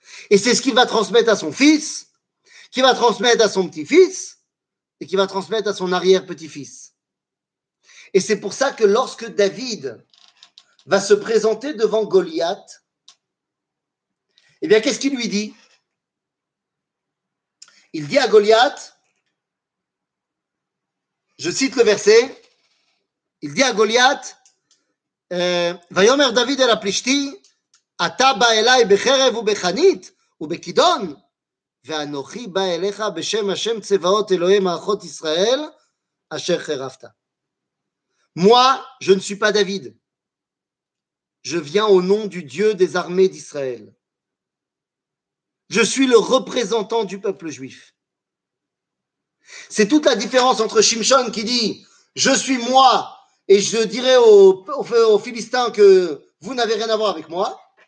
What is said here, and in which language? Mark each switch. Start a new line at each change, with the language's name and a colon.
French: Et c'est ce qu'il va transmettre à son fils, qu'il va transmettre à son petit-fils et qu'il va transmettre à son arrière-petit-fils. Et c'est pour ça que lorsque David va se présenter devant Goliath, eh bien, qu'est-ce qu'il lui dit ? Il dit à Goliath,
Hebrew: je cite le verset, il dit à Goliath, ויאמר דוד אל הפלישתי, אתה בא אליי בחרב ובחנית ובכידון, ואנוכי בא אליך בשם השם צבאות אלוהי מערכות ישראל, אשר חרפת.
French: Moi, je ne suis pas David. Je viens au nom du Dieu des armées d'Israël. Je suis le représentant du peuple juif. C'est toute la différence entre Shimshon qui dit, je suis moi, et je dirais aux Philistins que vous n'avez rien à voir avec moi.